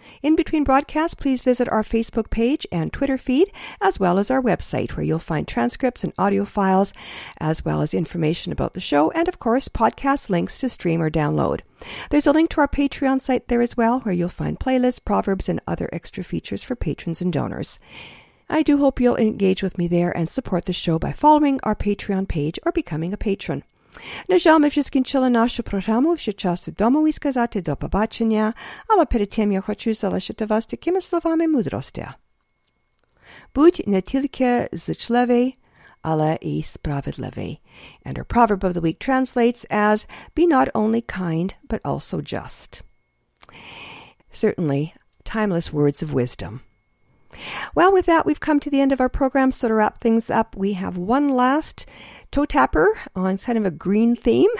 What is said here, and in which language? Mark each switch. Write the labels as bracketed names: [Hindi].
[English] In between broadcasts, please visit our Facebook page and Twitter feed, as well as our website, where you'll find transcripts and audio files, as well as information about the show and, of course, podcast links to stream or download. There's a link to our Patreon site there as well, where you'll find playlists, proverbs, and other extra features for patrons and donors. I do hope you'll engage with me there and support the show by following our Patreon page or becoming a patron. [Ukrainian] На жаль, ми вже скінчили нашу програму, вже час вдома і сказати до побачення, але перед тим я хочу залишити вас такими словами мудрості. Будь не тільки зичливий, але і справедливий. [English] And our proverb of the week translates as, be not only kind, but also just. Certainly, timeless words of wisdom. Well, with that, we've come to the end of our program. So to wrap things up, we have one last toe tapper on kind of a green theme.